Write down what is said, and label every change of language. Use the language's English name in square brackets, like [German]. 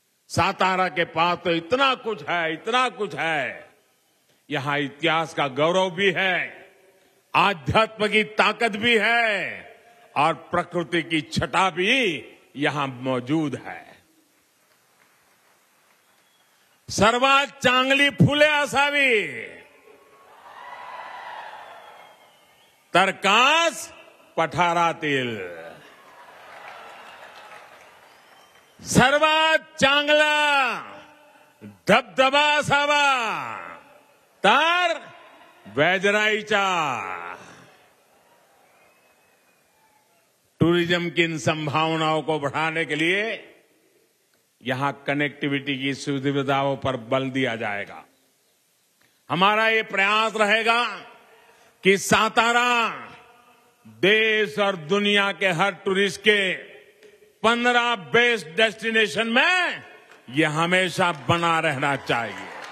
[Hindi] सातारा के पास तो इतना कुछ है, इतना कुछ है। यहां इतिहास का गौरव भी है, आध्यात्म की ताकत भी है और प्रकृति की छटा भी यहां मौजूद है। [Marathi] सर्वात चांगली फुले असावी, तरकास पठारातील। सर्वात चांगला धबधबा असावा, तर वैजराईचा। [Hindi] टूरिज्म की इन संभावनाओं को बढ़ाने के लिए यहां कनेक्टिविटी की सुविधाओं पर बल दिया जाएगा। हमारा ये प्रयास रहेगा कि सातारा देश और दुनिया के हर टूरिस्ट के 15 बेस्ट डेस्टिनेशन में ये हमेशा बना रहना चाहिए।